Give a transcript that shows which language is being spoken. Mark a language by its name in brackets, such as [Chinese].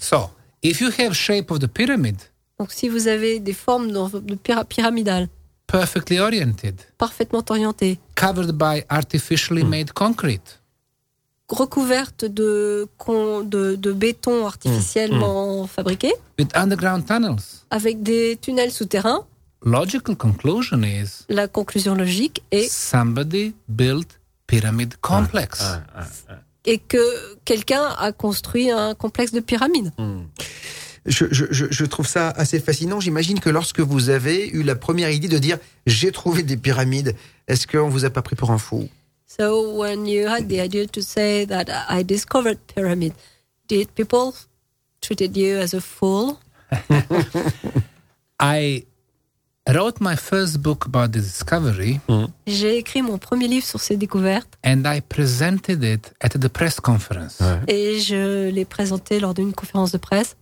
[English] So, if you have shape of the pyramid. [French] Donc si vous avez des formes de pyramidales. [English] Perfectly oriented. [French] Parfaitement orientées. [English] Covered by artificially made concrete. [French] Recouvertes de béton artificiellement fabriqué. [English] With underground tunnels. [French] Avec des tunnels souterrains. [English] Logical conclusion is. [French] La conclusion logique est. [English] Somebody built pyramid complex. [French] Et que quelqu'un a construit un complexe de pyramides. Je trouve ça assez fascinant. J'imagine que lorsque vous avez eu la première idée de dire j'ai trouvé des pyramides, est-ce qu'on vous a pas pris pour un fou? [English] So when you had the idea to say that I discovered pyramid, did people treated you as a fool? I wrote my first book about the discovery. [French] J'ai écrit mon premier livre sur ces découvertes. [English] And I presented it at the press conference. [French] Ouais. Et je l'ai présenté lors d'une conférence de presse.